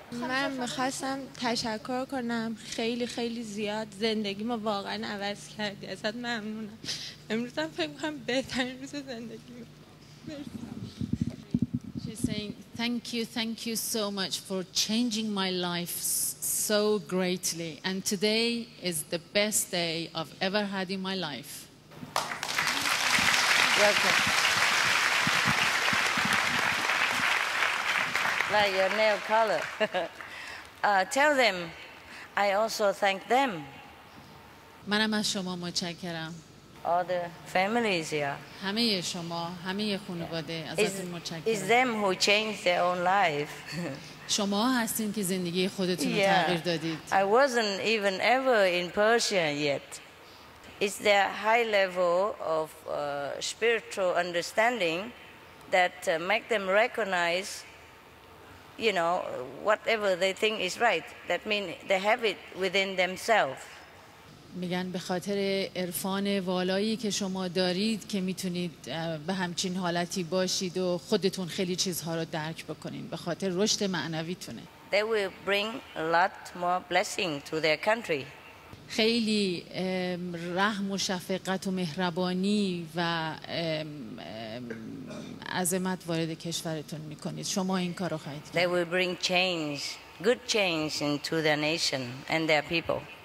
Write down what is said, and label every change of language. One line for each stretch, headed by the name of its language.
Persian: من میخواستم تشکر کنم خیلی خیلی زیاد، زندگی ما واقعا عوض کردی، ازت ممنونم. امروز هم فکر میکنم بهترین روز زندگی.
English: She's saying thank you so much for changing my life so greatly and today is the best day I've ever had in my life. Welcome. Like your nail color. tell them, I also thank them.
Persian: منم از شما متشکرم.
English: All the families here.
Persian: همه شما، همه خانواده ازتون متشکرم.
English: It's them who changed their own life.
Persian: شما هستین که زندگی خودتون رو تغییر دادید.
English: I wasn't even ever in Persia yet. It's their high level of spiritual understanding that make them recognize you know, whatever they think is right. That means they have it within themselves.
Persian: میگن به خاطر عرفان والایی که شما دارید که میتونید به همچین حالتی باشید و خودتون خیلی چیزها رو درک بکنین به خاطر رشد معنویتونه.
English: They will bring a lot more blessing to their country.
Persian: خیلی رحم و شفقت و مهربانی و عظمت وارد کشورتون میکنید. شما این کارو خواهید کرد.
English: They will bring change, good change into their nation and their people.